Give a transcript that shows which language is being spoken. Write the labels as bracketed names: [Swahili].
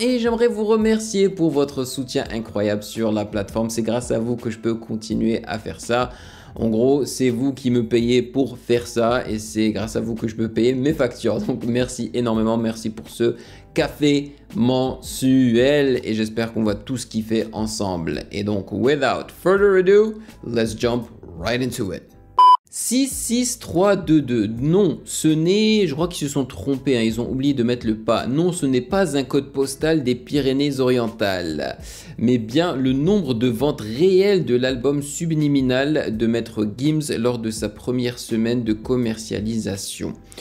[French] Et j'aimerais vous remercier pour votre soutien incroyable sur la plateforme. C'est grâce à vous que je peux continuer à faire ça. En gros, c'est vous qui me payez pour faire ça et c'est grâce à vous que je peux payer mes factures. Donc, merci énormément. Merci pour ce café mensuel et j'espère qu'on va tous kiffer ensemble. Et donc, [English] without further ado, let's jump right into it. [French] 66322, non, ce n'est, je crois qu'ils se sont trompés, hein. Ils ont oublié de mettre le pas. Non, ce n'est pas un code postal des Pyrénées-Orientales, mais bien le nombre de ventes réelles de l'album Subliminal de Maître Gims lors de sa première semaine de commercialisation.